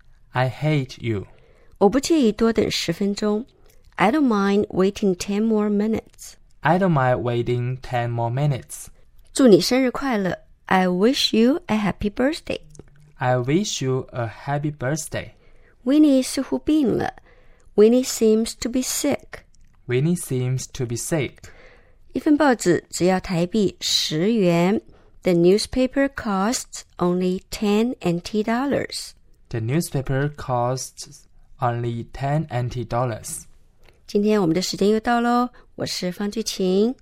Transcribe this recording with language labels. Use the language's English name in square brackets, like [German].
[English] I hate you. [Chinese] 我不介意多等十分钟， [English] I don't mind waiting 10 more minutes. I don't mind waiting 10 more minutes. [Chinese] 祝你生日快乐。 [English] I wish you a happy birthday. I wish you a happy birthday. [Chinese] Winnie 似乎病了。 [English] Winnie seems to be sick. Winnie seems to be sick. [Chinese] 一份报纸只要台币十元。 [English] The newspaper costs only 10 NT dollars. The newspaper costs only 10 NT dollars. [Chinese] 今天我们的时间又到咯，我是方俊晴，